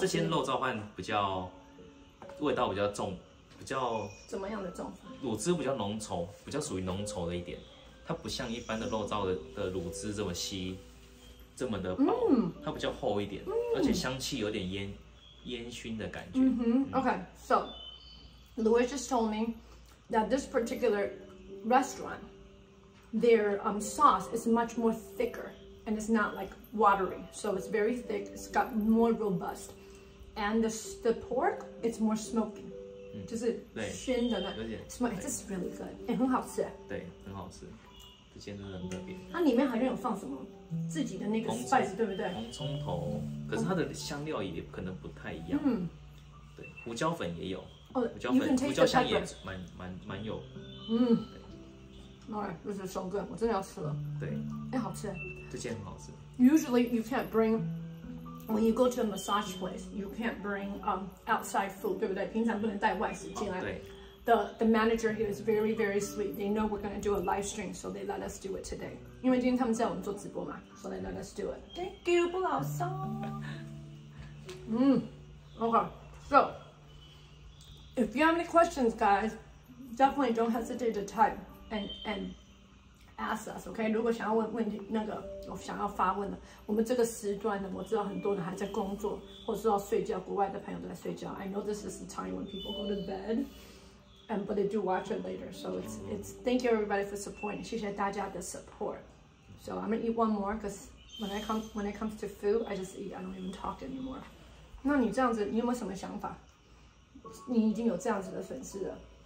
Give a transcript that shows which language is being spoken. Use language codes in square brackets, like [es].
[zh] 吃。这些肉燥饭比较味道比较重，比较怎么样的重？卤汁比较浓稠，比较属于浓稠的一点。它不像一般的肉燥的卤汁这么稀，这么的薄，它比较厚一点，而且香气有点烟熏的感觉。 [en] Okay, so Louis just told me that this particular restaurant, their sauce is much more thicker and it's not like watery, so it's very thick. It's got more robust, and the pork it's more smoky. [zh] 就是熏的那什么，这是 [en] really good， [zh] 很好吃。对，很好吃，这间真的很特别。它里面好像有放什么自己的那个 spice， 对不对？红葱头，可是它的香料也可能不太一样。对，胡椒粉也有。胡椒粉，胡椒香也蛮有。 [en] All right, this is so good. [zh] 我真的要吃了。对，好吃。这间很好吃。 [en] Usually you can't bring. When you go to a massage place, you can't bring outside food, [zh] 对不对？平常不能带外食进来。对。 [en] The manager here is very, very sweet. They know we're going to do a live stream, so they let us do it today. [zh] 因为今天他们在我们做直播嘛， [en] so they let us do it. Thank you, 不老松。 Okay, so, if you have any questions, guys, definitely don't hesitate to type and ask us, okay? [zh] 如果想要问问题，那个我想要发问的，我们这个时段呢，我知道很多人还在工作，或者是要睡觉，国外的朋友都在睡觉。 [en] I know this is the time when people go to bed, and but they do watch it later. So it's thank you everybody for supporting. [zh] 谢谢大家的 [en] support. So I'm gonna eat one more because when it comes to food, I just eat. I don't even talk anymore. [zh] 那你这样子，你有没有什么想法？你已经有这样子的粉丝了，